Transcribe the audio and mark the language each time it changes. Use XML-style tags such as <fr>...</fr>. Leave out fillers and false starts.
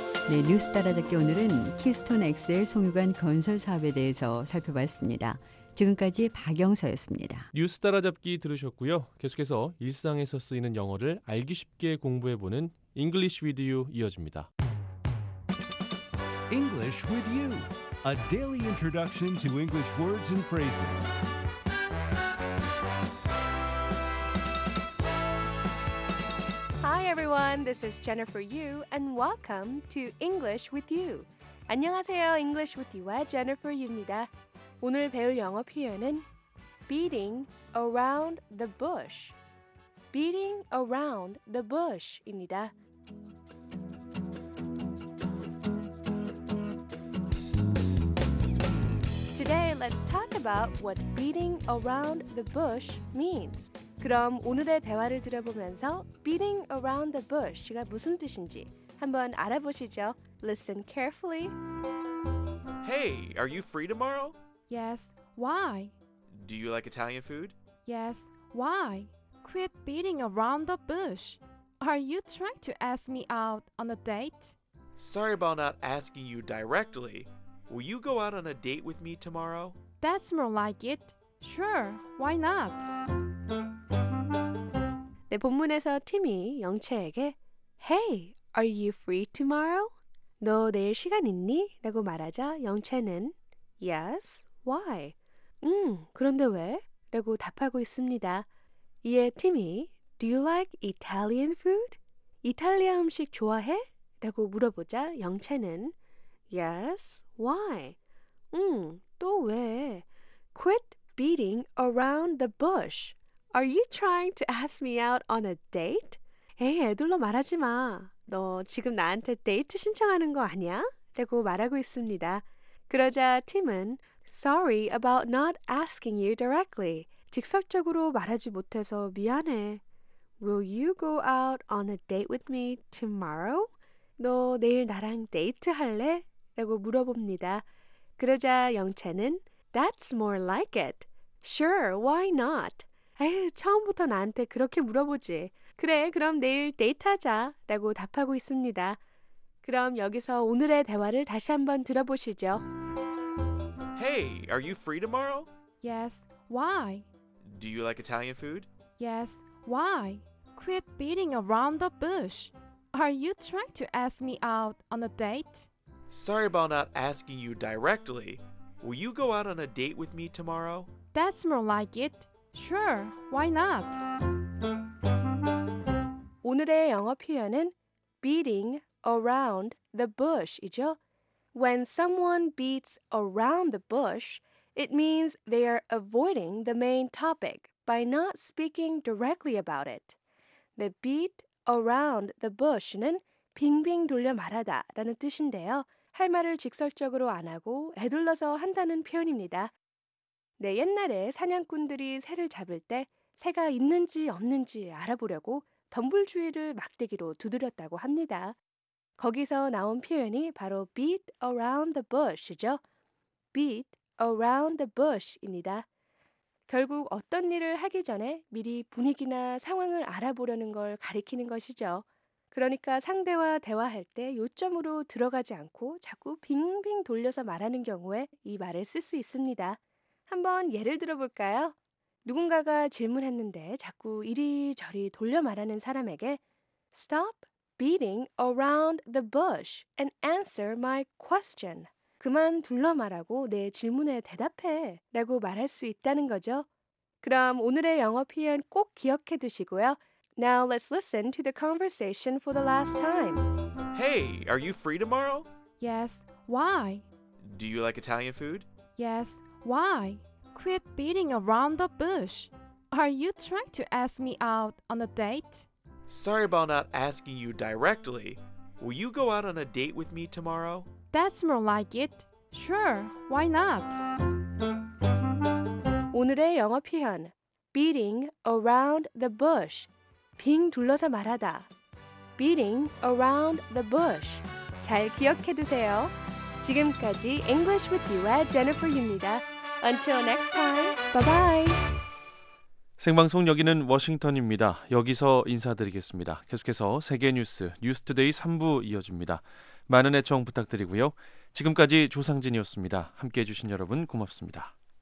<ko>네, 뉴스 따라잡기 오늘은 키스톤 엑셀 송유관 건설 사업에 대해서 살펴봤습니다. 지금까지 박영서였습니다. 뉴스 따라잡기 들으셨고요. 계속해서 일상에서 쓰이는 영어를 알기 쉽게 공부해보는 English with you 이어집니다.</ko> <en>English with you, a daily introduction to English words and phrases.</en> <ko>여러분,</ko> <en>this is Jennifer Yu and welcome to English with you.</en> <ko>안녕하세요. English with you와 Jennifer Yu입니다. 오늘 배울 영어 표현은 beating around the bush. beating around the bush입니다.</ko> <en>오늘 let's talk about what beating around the bush means.</en> <ko>그럼 오늘의 대화를 들어보면서 beating around the bush가 무슨 뜻인지 한번 알아보시죠.</ko> <en>Listen carefully. Hey, are you free tomorrow? Yes, why? Do you like Italian food? Yes, why? Quit beating around the bush. Are you trying to ask me out on a date? Sorry about not asking you directly. Will you go out on a date with me tomorrow? That's more like it. Sure, why not?</en> <ko>네, 본문에서 팀이 영채에게</ko> <en>Hey, are you free tomorrow?</en> <ko>너 내일 시간 있니? 라고 말하자 영채는</ko> <en>Yes, why?</en> <ko>그런데 왜? 라고 답하고 있습니다. 이에 팀이</ko> <en>Do you like Italian food?</en> <ko>이탈리아 음식 좋아해? 라고 물어보자 영채는</ko> <en>Yes, why?</en> <ko>또 왜?</ko> <en>Quit beating around the bush. Are you trying to ask me out on a date?</en> <ko>에이, 애들로 말하지 마. 너 지금 나한테 데이트 신청하는 거 아니야? 라고 말하고 있습니다. 그러자 팀은</ko> <en>Sorry about not asking you directly.</en> <ko>직설적으로 말하지 못해서 미안해.</ko> <en>Will you go out on a date with me tomorrow?</en> <ko>너 내일 나랑 데이트 할래? 라고 물어봅니다. 그러자 영채는</ko> <en>That's more like it. Sure, why not?</en> <ko>에휴, 처음부터 나한테 그렇게 물어보지. 그래, 그럼 내일 데이트하자 라고 답하고 있습니다. 그럼 여기서 오늘의 대화를 다시 한번 들어보시죠.</ko> <en>Hey, are you free tomorrow? Yes, why? Do you like Italian food? Yes, why? Quit beating around the bush. Are you trying to ask me out on a date? Sorry about not asking you directly. Will you go out on a date with me tomorrow? That's more like it. Sure, why not?</en> <ko>오늘의 영어 표현은 beating around the bush이죠.</ko> <en>When someone beats around the bush, it means they are avoiding the main topic by not speaking directly about it. The beat</en> <ko>around the bush는 빙빙 돌려 말하다 라는 뜻인데요. 할 말을 직설적으로 안 하고 애둘러서 한다는 표현입니다. 네, 옛날에 사냥꾼들이 새를 잡을 때 새가 있는지 없는지 알아보려고 덤불주위를 막대기로 두드렸다고 합니다. 거기서 나온 표현이 바로 beat around the bush이죠. beat around the bush입니다. 결국 어떤 일을 하기 전에 미리 분위기나 상황을 알아보려는 걸 가리키는 것이죠. 그러니까 상대와 대화할 때 요점으로 들어가지 않고 자꾸 빙빙 돌려서 말하는 경우에 이 말을 쓸 수 있습니다. 한번 예를 들어볼까요? 누군가가 질문했는데 자꾸 이리저리 돌려 말하는 사람에게</ko> <en>Stop beating around the bush and answer my question.</en> <ko>그만 둘러 말하고 내 질문에 대답해 라고 말할 수 있다는 거죠. 그럼 오늘의 영어 표현 꼭 기억해 두시고요.</ko> <en>Now let's listen to the conversation for the last time. Hey, are you free tomorrow? Yes, why? Do you like Italian food? Yes, why? Quit beating around the bush. Are you trying to ask me out on a date? Sorry about not asking you directly. Will you go out on a date with me tomorrow? That's more like it. Sure, why not?</en> <ko>오늘의 영어 표현, beating around the bush. 빙 둘러서 말하다.</ko> <en>Beating around the bush.</en> <ko>잘 기억해 두세요. 지금까지 English with you의 Jennifer입니다.</ko> <en>Until next time, bye-bye.</en> <ko>생방송 여기는 워싱턴입니다. 여기서 인사드리겠습니다. 계속해서 세계뉴스, 뉴스투데이 3부 이어집니다. 많은 애청 부탁드리고요. 지금까지 조상진이었습니다. 함께해 주신 여러분 고맙습니다.</ko>